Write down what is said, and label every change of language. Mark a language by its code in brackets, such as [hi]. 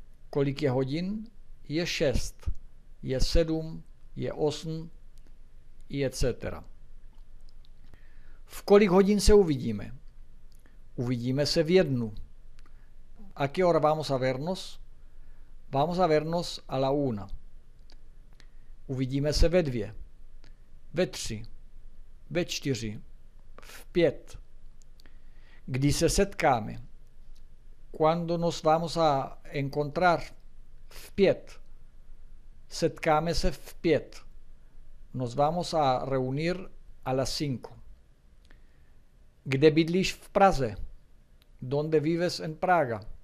[cs] Kolik je hodin? Je šest. Je sedm, je osm, etc. V kolik hodin se uvidíme? Uvidíme se v jednu. [es] ¿A qué hora vamos a vernos? Vamos a vernos a la una. [cs] Uvidíme se ve dvě, ve tři, ve čtyři, v pět. Kdy se setkáme? [es] ¿Cuándo nos vamos a encontrar? [cs] V pět. Setkáme se v pět. [es] Nos vamos a reunir a las cinco. [cs] ¿Kde bydlíš v Praze? [es] ¿Dónde vives en Praga?